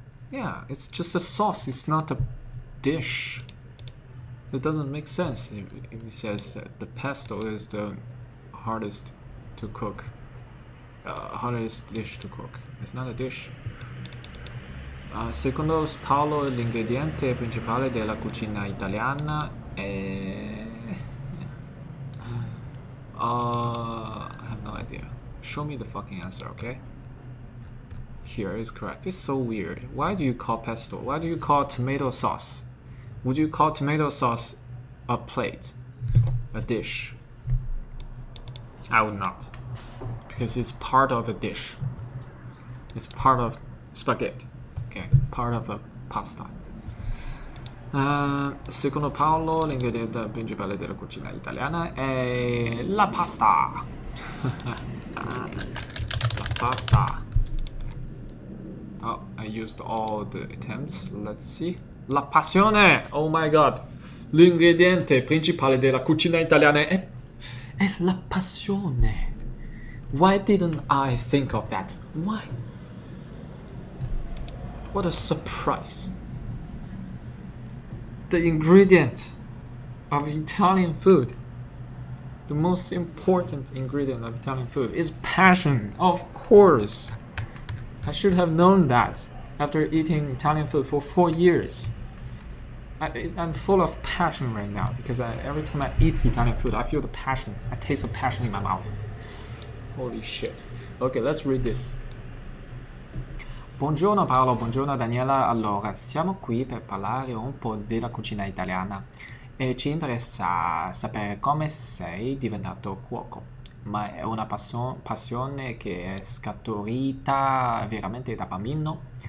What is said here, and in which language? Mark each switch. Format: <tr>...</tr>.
<en>Yeah, it's just a sauce, it's not a dish. It doesn't make sense if he says that the pesto is the hardest to cook, hardest dish to cook. It's not a dish.</en> <it>Secondo Paolo, l'ingrediente principale della cucina italiana è...</it> <en>I have no idea. Show me the fucking answer, okay? Here is correct. It's so weird. Why do you call pesto? Why do you call tomato sauce? Would you call tomato sauce a plate? A dish? I would not. Because it's part of a dish. It's part of spaghetti. Okay, part of a pasta.</en> <it>Secondo Paolo, l'ingrediente principale della cucina italiana è la pasta. La pasta.</it> <en>Oh, I used all the attempts. Let's see.</en> <it>La passione!</it> <en>Oh my god!</en> <it>L'ingrediente principale della cucina italiana è la passione.</it> <en>Why didn't I think of that? Why? What a surprise. The ingredient of Italian food, the most important ingredient of Italian food, is passion, of course. I should have known that after eating Italian food for 4 years. I'm full of passion right now because every time I eat Italian food, I feel the passion. I taste the passion in my mouth. Holy shit. Okay, let's read this.</en> <it>Buongiorno Paolo, buongiorno Daniela. Allora, siamo qui per parlare un po' della cucina italiana e ci interessa sapere come sei diventato cuoco. Ma è una passione che è scaturita veramente da bambino.</it>